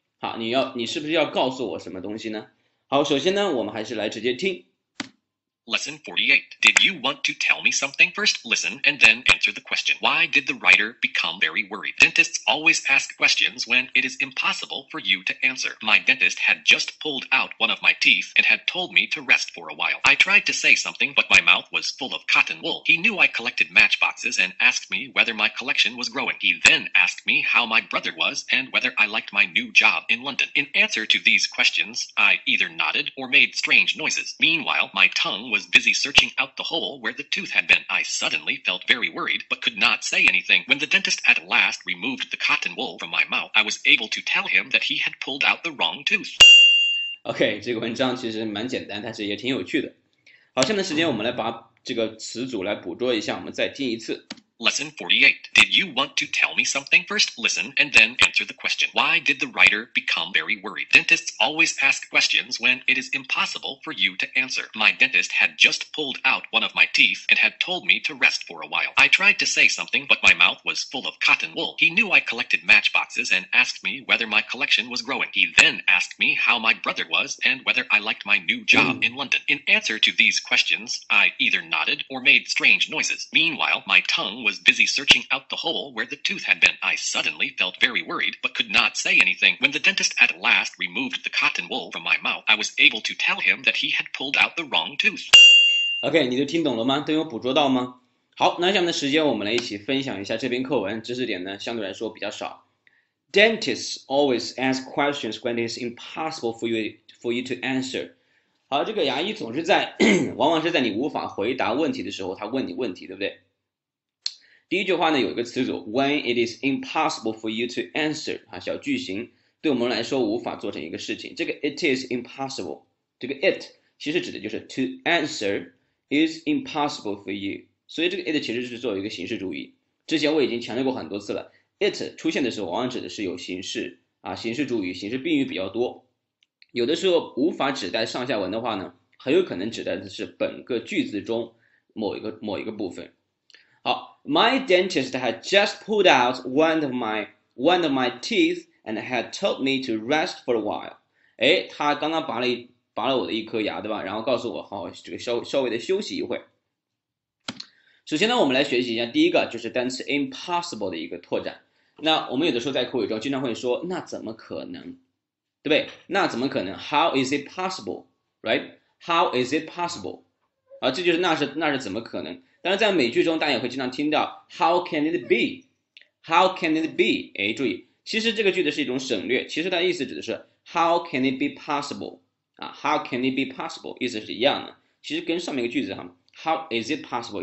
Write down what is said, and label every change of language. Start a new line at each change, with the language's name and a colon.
Chinese: 好，你是不是要告诉我什么东西呢？好，首先呢，我们还是来直接听。
English: Lesson 48. Did you want to tell me something? First, listen and then answer the question. Why did the writer become very worried? Dentists always ask questions when it is impossible for you to answer. My dentist had just pulled out one of my teeth and had told me to rest for a while. I tried to say something, but my mouth was full of cotton wool. He knew I collected matchboxes and asked me whether my collection was growing. He then asked me how my brother was and whether I liked my new job in London. In answer to these questions, I either nodded or made strange noises. Meanwhile, my tongue was busy searching out the hole where the tooth had been. I suddenly felt very worried, but could not say anything. When the dentist at last removed the cotton wool from my mouth, I was able to tell him that he had pulled out the wrong tooth.
Chinese: OK，这个文章其实蛮简单，但是也挺有趣的。好，下面的时间我们来把这个词组来捕捉一下，我们再听一次。
English: Lesson 48. Did you want to tell me something? First, listen and then answer the question. Why did the writer become very worried? Dentists always ask questions when it is impossible for you to answer. My dentist had just pulled out one of my teeth and had told me to rest for a while. I tried to say something, but my mouth was full of cotton wool. He knew I collected matchboxes and asked me whether my collection was growing. He then asked me how my brother was and whether I liked my new job in London. In answer to these questions, I either nodded or made strange noises. Meanwhile, my tongue was busy searching out the hole where the tooth had been. I suddenly felt very worried, but could not say anything. When the dentist at last removed the cotton wool from my mouth, I was able to tell him that he had pulled out the wrong tooth.
Chinese: OK，你都听懂了吗？都有捕捉到吗？好，那下面的时间我们来一起分享一下这篇课文，知识点呢相对来说比较少。
English: Dentists always ask questions when it's impossible for you to answer。
Chinese: 好，这个牙医总是在 往往是在你无法回答问题的时候，他问你问题，对不对？第一句话呢，有一个词组
English: "when it is impossible for you to answer"
Chinese: 啊，小句型，对我们来说无法做成一个事情。这个 "it is impossible"，这个 "it" 其实指的就是
English: "to answer is impossible for you"，
Chinese: 所以这个 "it" 其实是作为一个形式主语。之前我已经强调过很多次了，"it" 出现的时候往往指的是有形式啊，形式主语、形式宾语比较多。有的时候无法指代上下文的话呢，很有可能指代的是本个句子中某一个部分。
English: 好，My dentist had just pulled out one of my teeth and had told me to rest for a while。
Chinese: 哎，他刚刚拔了我的一颗牙，对吧？然后告诉我，好，这个稍微的休息一会。首先呢，我们来学习一下第一个就是单词 impossible 的一个拓展。那我们有的时候在口语中经常会说，那怎么可能？对不对？那怎么可能？
English: How is it possible？Right？How is it possible？
Chinese: 啊，这就是那是怎么可能？但是在美剧中，大家也会经常听到
English: "How can it be? How can it be?"
Chinese: 哎，注意，其实这个句子是一种省略，其实它意思指的是
English: "How can it be possible?" 啊，"How can it be possible?"
Chinese: 意思是一样的，其实跟上面一个句子哈
English: "How is it possible?"